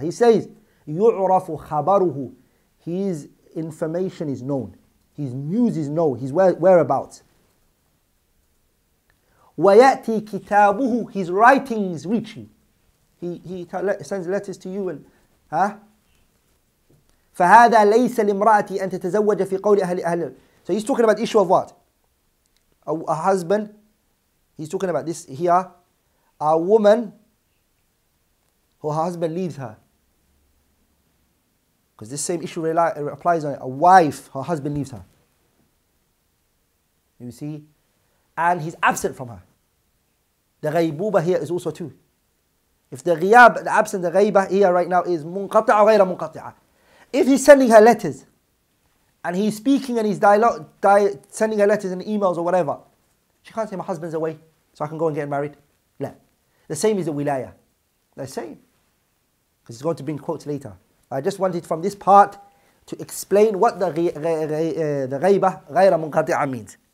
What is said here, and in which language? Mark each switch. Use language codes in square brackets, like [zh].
[en] He says [ar] يعرف خبره, [en] his information is known, his news is known, his whereabouts. [ar] ويأتي كتابه, [en] his writings reach you, he sends letters to you and [ar] فهذا ليس لامرأتي أن تتزوج في قول أهل. [en] So he's talking about the issue of what? A husband. He's talking about this here. A woman who her husband leaves her. Because this same issue applies on it. A wife, her husband leaves her. You see? And he's absent from her. The غيبوبة here is also two. If the غياب, the absent, the غيبة here right now is [ar] منقطع أو غير منقطع. [en] If he's sending her letters and he's speaking and he's sending her letters and emails or whatever, she can't say my husband's away so I can go and get married. No. The same is the wilaya. The same. Because he's going to bring quotes later. I just wanted from this part to explain what the [ar] ghaybah ghayra munqati'ah [en] means.